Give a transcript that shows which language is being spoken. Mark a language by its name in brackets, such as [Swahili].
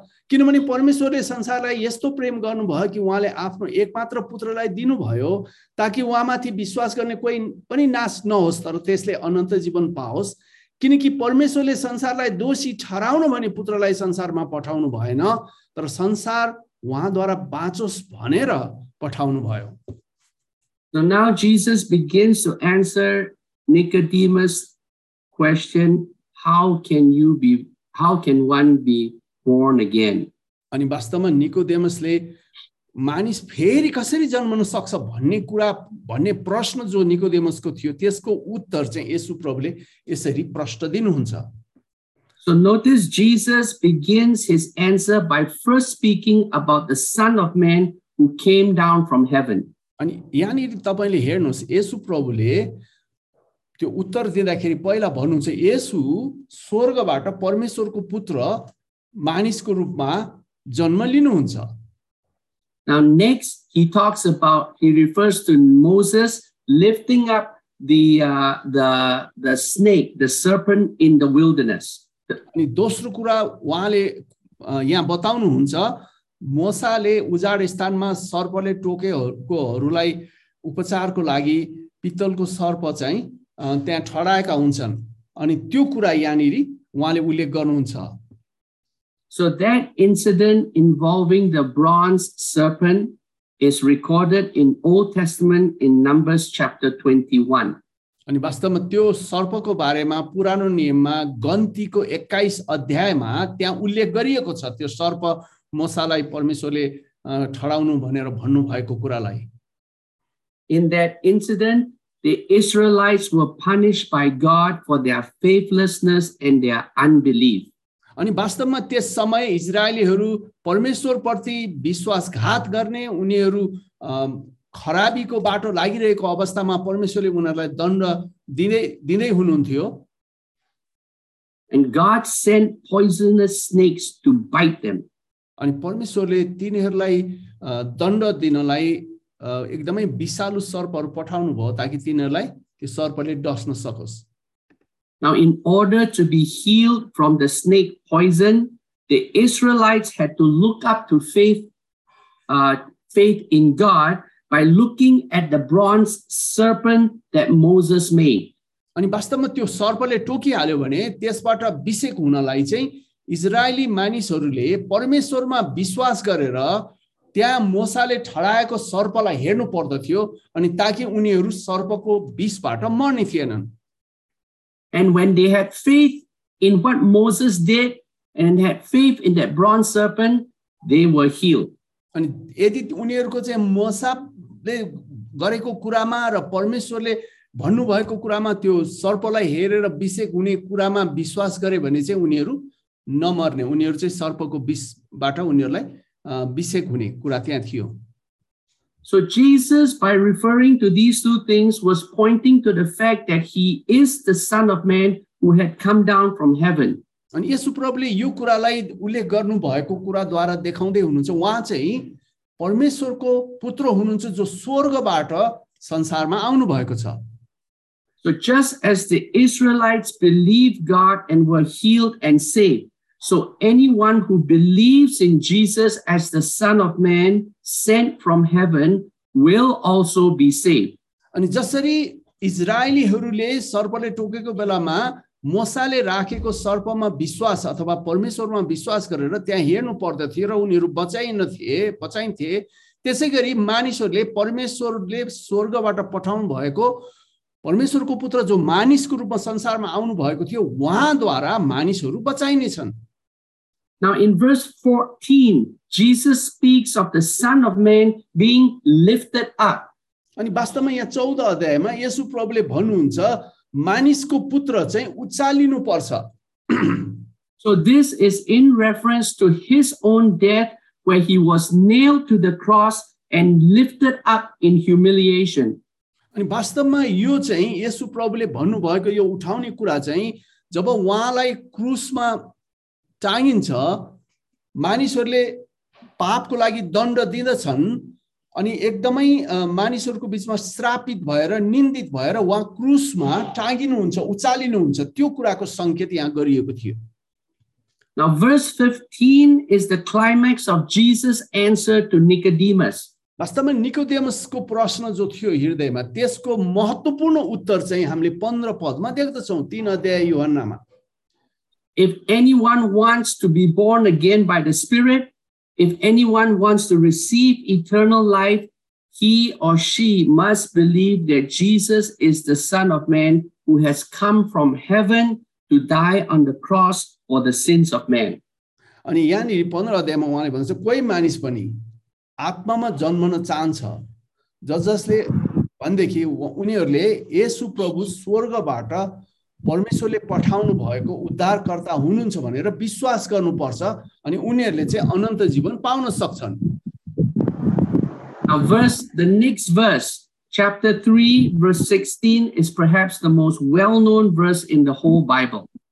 [Nepali] किनभने परमेश्वरले संसारलाई यस्तो प्रेम गर्नुभयो कि उहाँले आफ्नो एकमात्र पुत्रलाई दिनुभयो ताकि उहाँमाथि विश्वास गर्ने कोही पनि नाश नहोस् तर त्यसले अनन्त जीवन पाओस्. किनकि परमेश्वरले संसारलाई दोषी ठहराउनु भने पुत्रलाई संसारमा पठाउनु भएन तर संसार उहाँद्वारा बाँचोस् भनेर पठाउनु भयो. [English] So now Jesus begins to answer Nicodemus' question, how can one be born again? [Nepali] अनि वास्तवमा निकोदेमसले मानिस फेरि कसरी जन्मन सक्छ भन्ने कुरा भन्ने प्रश्न जो निकोदेमसको थियो त्यसको उत्तर चाहिँ येशू प्रभुले यसरी प्रश्न दिनुहुन्छ. [English] So notice Jesus begins his answer by first speaking about the Son of Man who came down from heaven. [Nepali] अनि यहाँनिर तपाईँले हेर्नुहोस् येशू प्रभुले त्यो उत्तर दिँदाखेरि पहिला भन्नुहुन्छ येशू स्वर्गबाट परमेश्वरको पुत्र मानिसको रूपमा जन्म लिनुहुन्छ. [English] Now next he refers to Moses lifting up the snake, the serpent in the wilderness. [Nepali] अनि दोस्रो कुरा उहाँले यहाँ बताउनुहुन्छ मोसाले उजाड स्थानमा सर्पले टोकेकोहरूलाई उपचारको लागि पित्तलको सर्प चाहिँ त्यहाँ ठडाएका हुन्छन् अनि त्यो कुरा यहाँनिर उहाँले उल्लेख गर्नुहुन्छ. [English] So that incident involving the bronze serpent is recorded in Old Testament in Numbers chapter 21. [Nepali] अनि वास्तवमा त्यो सर्पको बारेमा पुरानो नियममा गन्तीको 21 अध्यायमा त्यहाँ उल्लेख गरिएको छ त्यो सर्प मोसालाई परमेश्वरले ठडाउनु भनेर भन्नु भएको कुरालाई. [English] In that incident, the Israelites were punished by God for their faithlessness and their unbelief. [Nepali] अनि वास्तवमा त्यस समय इजरायलीहरू परमेश्वरप्रति विश्वासघात गर्ने उनीहरू खराबीको बाटो लागिरहेको अवस्थामा परमेश्वरले उनीहरूलाई दण्ड दिँदै हुनुहुन्थ्यो. [English] And God sent poisonous snakes to bite them. [Nepali] अनि परमेश्वरले तिनीहरूलाई दण्ड दिनलाई एकदमै विषालु सर्पहरू पठाउनु भयो ताकि तिनीहरूलाई त्यो सर्पले डस्न सकोस्. [English] Now, in order to be healed from the snake poison, the Israelites had to look up to faith in God by looking at the bronze serpent that Moses made. [Nepali] अनि वास्तवमा त्यो सर्पले टोकिहाल्यो भने त्यसबाट अभिषेक हुनलाई चाहिँ इजरायली मानिसहरूले परमेश्वरमा विश्वास गरेर त्यहाँ मोसाले ठडाएको सर्पलाई हेर्नु पर्दथ्यो अनि ताकि उनीहरू सर्पको विषबाट मर्ने थिएनन्. [English] And when they had faith in what Moses did and had faith in that bronze serpent, they were healed. [Nepali] अनि यदि उनीहरूको चाहिँ मोसाले गरेको कुरामा र परमेश्वरले भन्नुभएको कुरामा त्यो सर्पलाई हेरेर अभिषेक हुने कुरामा विश्वास गरे भने चाहिँ उनीहरू नमर्ने उनीहरू चाहिँ सर्पको विषबाट उनीहरूलाई अभिषेक हुने कुरा त्यहाँ थियो. [English] So Jesus, by referring to these two things, was pointing to the fact that he is the Son of Man who had come down from heaven. [Nepali] अनि येशू प्रभुले यो कुरालाई उल्लेख गर्नु भएको कुराद्वारा देखाउँदै हुनुहुन्छ उहाँ चाहिँ परमेश्वरको पुत्र हुनुहुन्छ जो स्वर्गबाट संसारमा आउनु भएको छ. [English] So just as the Israelites believed God and were healed and saved, so anyone who believes in Jesus as the Son of Man sent from heaven will also be saved. [Nepali] अनि जसरी इजरायलीहरूले सर्पले टोकेको बेलामा मोसाले राखेको सर्पमा विश्वास अथवा परमेश्वरमा विश्वास गरेर त्यहाँ हेर्नु पर्दथ्यो र उनीहरू बचाइन्थे त्यसै गरी मानिसहरूले परमेश्वरले स्वर्गबाट पठाउनु भएको परमेश्वरको पुत्र जो मानिसको रूपमा संसारमा आउनु भएको थियो उहाँद्वारा मानिसहरू बचाइनेछन्. [English] Now in verse 14, Jesus speaks of the Son of Man being lifted up. [Nepali] अनि वास्तवमा यहाँ 14 अध्यायमा येशू प्रभुले भन्नुहुन्छ मानिसको पुत्र चाहिँ उचालिनु पर्छ. [English] So this is in reference to his own death where he was nailed to the cross and lifted up in humiliation. [Nepali] अनि वास्तवमा यो चाहिँ येशू प्रभुले भन्नुभएको यो उठाउने कुरा चाहिँ जब उहाँलाई क्रुसमा चाहिन्छ मानिसहरूले पापको लागि दण्ड दिँदछन् अनि एकदमै मानिसहरूको बिचमा श्रापित भएर निन्दित भएर उहाँ क्रुसमा टाँगिनुहुन्छ उचालिनुहुन्छ त्यो कुराको सङ्केत यहाँ गरिएको थियो. [English] Now verse 15 is the climax of Jesus' answer to Nicodemus. [Nepali] वास्तवमा निकोदेमसको प्रश्न जो थियो हृदयमा त्यसको महत्त्वपूर्ण उत्तर चाहिँ हामीले 15 पदमा देख्दछौँ तीन अध्याय योहन्नामा. [English] If anyone wants to be born again by the Spirit, if anyone wants to receive eternal life, he or she must believe that Jesus is the Son of Man who has come from heaven to die on the cross for the sins of man. [Nepali] अनि यहाँनिर 15 अध्यायमा उहाँले भन्नुहुन्छ कोही मानिस पनि आत्मामा जन्मन चाहन्छ जसले भनेदेखि उनीहरूले येशू प्रभु स्वर्गबाट परमेश्वरले पठाउनु भएको उद्धारकर्ता हुनुहुन्छ भनेर विश्वास गर्नुपर्छ अनि उनीहरूले चाहिँ अनन्त जीवन पाउन सक्छन्. [English] Verse, the next verse, chapter 3, verse 16, is perhaps the most well-known verse in the whole Bible.